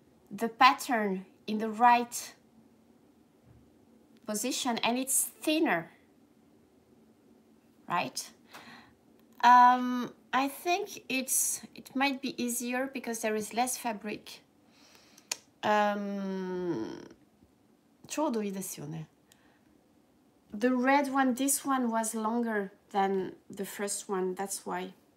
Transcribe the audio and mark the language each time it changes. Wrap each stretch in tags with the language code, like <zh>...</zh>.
<en>The pattern in the right position and it's thinner, right? I think it might be easier because there is less fabric.</en> <ja>ちょうどいいですよね。</ja> <en>The red one, this one was longer than the first one, that's why.</en>